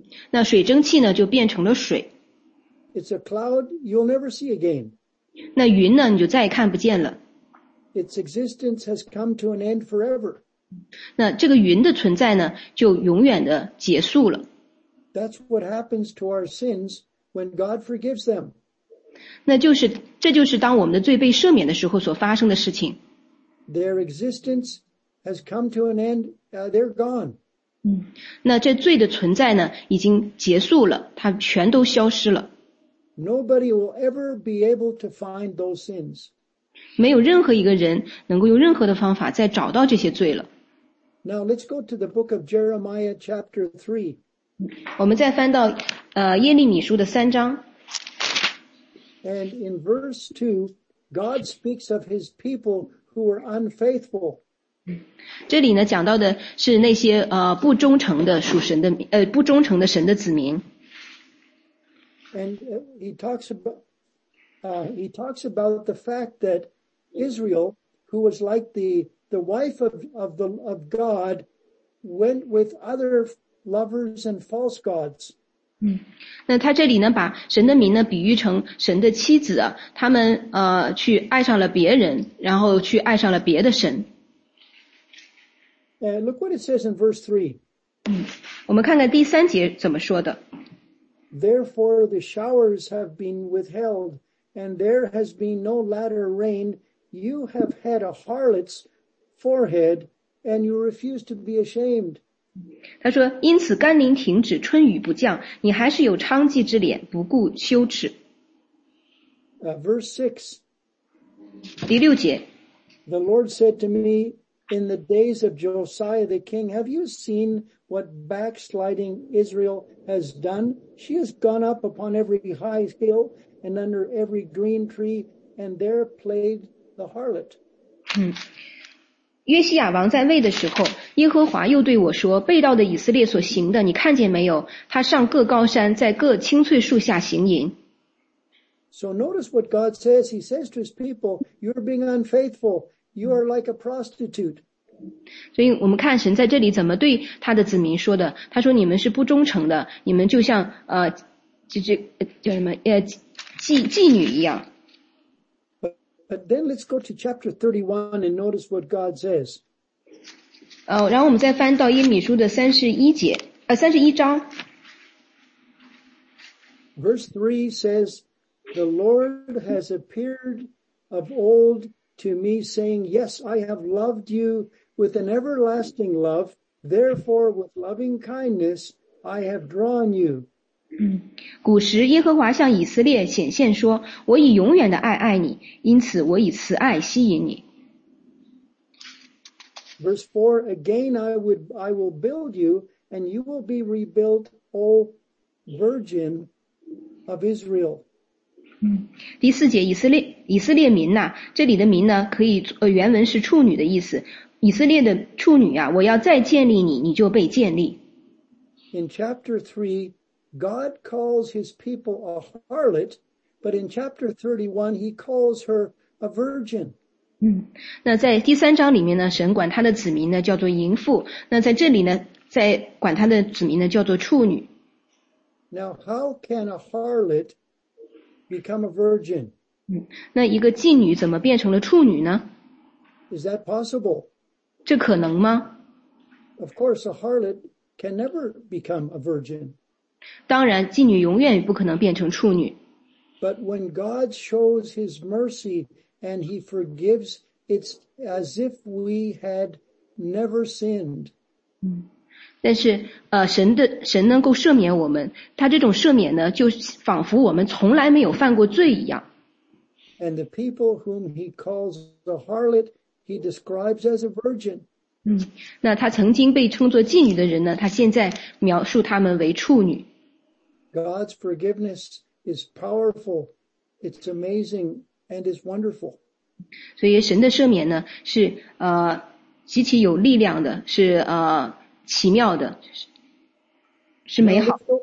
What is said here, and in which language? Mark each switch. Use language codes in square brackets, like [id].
[zh] 那水蒸气呢就变成了水。 [en] It's a cloud you'll never see again. [zh] 那云呢你就再也看不见了。 [en] Its existence has come to an end forever. [zh] 那这个云的存在呢就永远的结束了。 [en] That's what happens to our sins when God forgives them. [zh] 那就是这就是当我们的罪被赦免的时候所发生的事情。 [en] Their existence has come to an end, they're gone. [zh] 那这罪的存在呢已经结束了，它全都消失了。 [en] Nobody will ever be able to find those sins. [zh] 没有任何一个人能够用任何的方法再找到这些罪了。 [en] Now let's go to the book of Jeremiah chapter 3. [zh] 我们再翻到耶利米书的三章。 [en] And in verse 2, God speaks of his people who were unfaithful. [zh] 这里呢讲到的是那些不忠诚的属神的不忠诚的神的子民。 [en] And he talks about the fact that Israel, who was like the wife of God, went with other lovers and false gods. [zh] 那他这里呢，把神的民呢比喻成神的妻子啊，他们去爱上了别人，然后去爱上了别的神。 [en] Look what it says in verse 3. [zh] 我们看看第三节怎么说的。 [en] Therefore, the showers have been withheld, and there has been no latter rain. You have had a harlot's forehead, and you refuse to be ashamed. [zh] 他说，因此甘霖停止，春雨不降，你还是有娼妓之脸，不顾羞耻。 [en] Verse 6. [zh] 第六节。 [en] The Lord said to me, in the days of Josiah the king, have you seen what backsliding Israel has done? She has gone up upon every high hill and under every green tree, and there played the harlot. [zh] 约西亚王在位的时候，耶和华又对我说，被盗的以色列所行的，你看见没有？他上各高山，在各青翠树下行淫。 [en] So notice what God says. He says to his people, you're being unfaithful. You are like a prostitute. [zh] 所以我们看神在这里怎么对他的子民说的。他说你们是不忠诚的，你们就像叫什么妓女一样。 [en] But then let's go to chapter 31 and notice what God says. [zh] 然后我们再翻到耶利米书的31章。 [en] Verse 3 says, The Lord has appeared of old to me, saying, Yes, I have loved you with an everlasting love. Therefore, with loving kindness, I have drawn you. [zh] 古时耶和华向以色列显现说，我以永远的爱爱你，因此我以慈爱吸引你。 [en] Verse 4, again I will build you, and you will be rebuilt, O virgin of Israel. [zh] 第四节，以色列民呐，这里的民呢，可以原文是处女的意思。以色列的处女啊，我要再建立你，你就被建立。 [en] In chapter 3, God calls his people a harlot, but in chapter 31, he calls her a virgin. [zh] 那在第三章里面呢，神管他的子民呢叫做淫妇，那在这里呢，在管他的子民呢叫做处女。 [en] Now, how can a harlot become a virgin? [zh] 那一个妓女怎么变成了处女呢？ [en] Is that possible? [zh] 这可能吗？ [en] Of course, a harlot can never become a virgin. [zh] 当然，妓女永远不可能变成处女。 [en] But when God shows His mercy and He forgives, it's as if we had never sinned. [zh] 但是，神能够赦免我们，他这种赦免呢，就仿佛我们从来没有犯过罪一样。 [en] And the people whom He calls the harlot, He describes as a virgin. [zh] 那他曾经被称作妓女的人呢，他现在描述他们为处女。 [en] God's forgiveness is powerful, it's amazing, and it's wonderful. [zh] 所以神的赦免呢是极其有力量的，是奇妙的，是美好。